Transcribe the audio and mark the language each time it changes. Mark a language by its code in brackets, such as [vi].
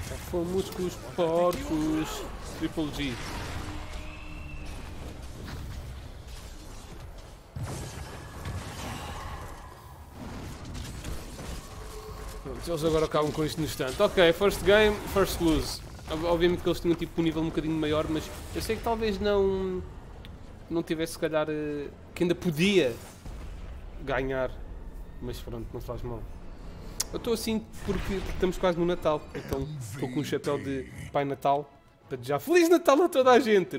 [pt] Fomos com os porcos. Triple G. Pronto, eles agora acabam com isto no instante. [en] Ok, first game, first lose. [pt] Obviamente que eles tinham tipo um nível um bocadinho maior, mas eu sei que talvez não tivesse, se calhar, que ainda podia ganhar. Mas pronto, não faz mal. Eu estou assim porque estamos quase no Natal, então estou com um chapéu de Pai Natal para desejar Feliz Natal a toda a gente!